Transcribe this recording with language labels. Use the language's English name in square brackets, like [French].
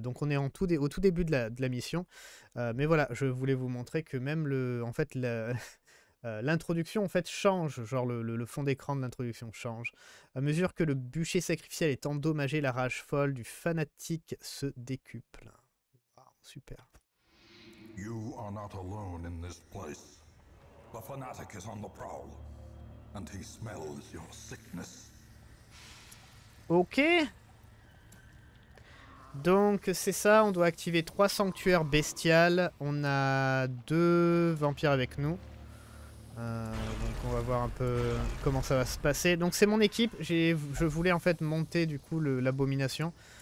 [French] Donc on est au tout début de la mission. Mais voilà, je voulais vous montrer que même en fait, l'introduction en fait change. Genre le fond d'écran de l'introduction change. À mesure que le bûcher sacrificiel est endommagé, la rage folle du fanatique se décuple. Wow, super. [English] You are not alone in this place. The fanatic is on the prowl, and he smells your sickness. [French] Ok. Donc c'est ça, on doit activer trois sanctuaires bestiales. On a deux vampires avec nous. Donc on va voir un peu comment ça va se passer. Donc c'est mon équipe, je voulais en fait monter du coup l'abomination.